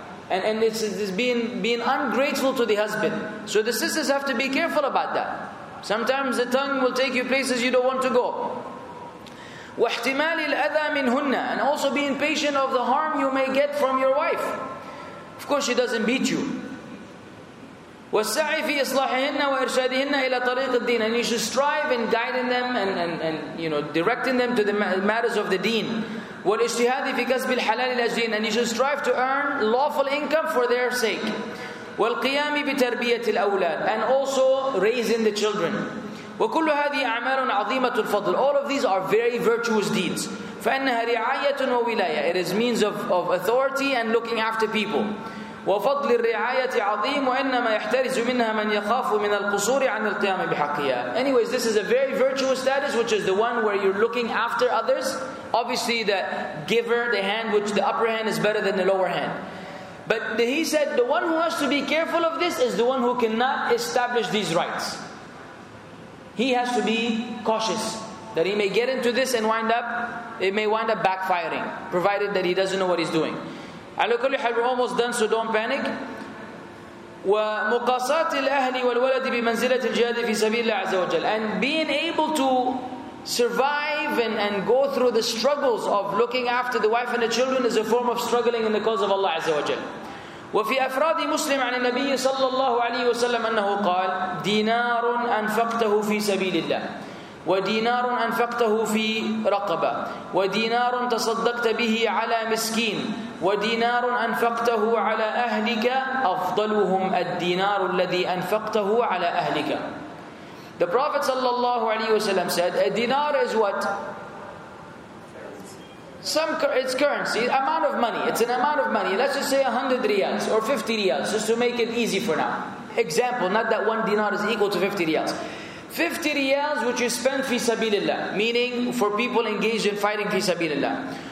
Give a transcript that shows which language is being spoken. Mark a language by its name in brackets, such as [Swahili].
[English] And it's being ungrateful to the husband. So the sisters have to be careful about that. Sometimes the tongue will take you places you don't want to go. [Arabic] وَاحْتِمَالِ الْأَذَى مِنْهُنَّ. [English] And also being patient of the harm you may get from your wife. Of course she doesn't beat you. [Arabic] والسعي في إصلاحهن وإرشادهن إلى طريق الدين. [English] And you should strive in guiding them and you know directing them to the matters of the deen. [Arabic] والاجتهاد في كسب الحلال لأجلهن. [English] And you should strive to earn lawful income for their sake. [Arabic] والقيام بتربية الأولاد. [English] And also raising the children. [Arabic] وكل هذه أعمال عظيمة الفضل. [English] All of these are very virtuous deeds. [Arabic] فإنها رعاية وولاية. [English] It is means of authority and looking after people. [Arabic] وفضل الرعاية عظيم وإنما يحترز منها من يخاف من القصور عن القيام بحقها. [English] Anyways, this is a very virtuous status, which is the one where you're looking after others. Obviously, the giver, the hand, which the upper hand is better than the lower hand. But he said, the one who has to be careful of this is the one who cannot establish these rights. He has to be cautious that he may get into this and wind up backfiring, provided that he doesn't know what he's doing. [Arabic] على كل حال, [English] we're almost done, so don't panic. [Arabic] ومقاساة الأهل والولد بمنزلة الجهاد في سبيل الله عز وجل. [English] And being able to survive and go through the struggles of looking after the wife and the children is a form of struggling in the cause of Allah [Arabic] عز وجل. وفي أفراد مسلم عن النبي صلى الله عليه وسلم أنه قال دينار أنفقته في سبيل الله ودينار أنفقته في رقبة ودينار تصدقت به على مسكين ودينار أنفقته على أهلك أفضلهم الدينار الذي أنفقته على أهلك. [English] The Prophet [Arabic] صلى الله عليه وسلم [English] said a dinar is what? It's currency, amount of money. It's an amount of money. Let's just say 100 riyals or 50 riyals, just to make it easy for now. Example, not that one dinar is equal to 50 riyals. 50 riyals which you spend fi sabilillah, meaning for people engaged in fighting fi sabilillah.